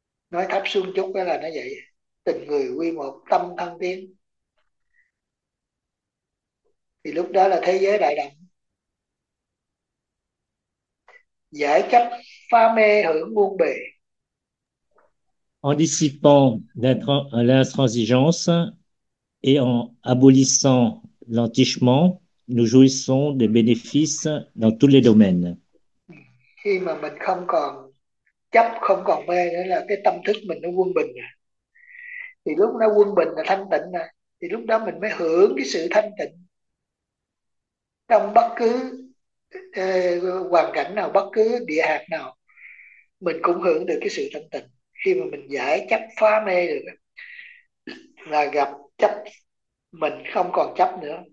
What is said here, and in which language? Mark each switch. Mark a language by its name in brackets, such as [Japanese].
[Vietnamese] Nói thấp xuống chút đó là nó vậy. Tình người quy một, tâm thân tiến. Thì lúc đó là thế giới đại đồng. Giải chấp pha mê hưởng muôn bề. [French] En dissipant l'intransigeance et en abolissant l'entichement, nous jouissons des bénéfices dans tous les domaines. [Vietnamese] Khi mà mình không còn chấp, không còn mê nữa là cái tâm thức mình nó quân bình, thì lúc nó quân bình là thanh tịnh nè, thì lúc đó mình mới hưởng cái sự thanh tịnh trong bất cứ hoàn cảnh nào, bất cứ địa hạt nào, mình cũng hưởng được cái sự thanh tịnh khi mà mình giải chấp phá mê được, là gặp chấp mình không còn chấp nữa.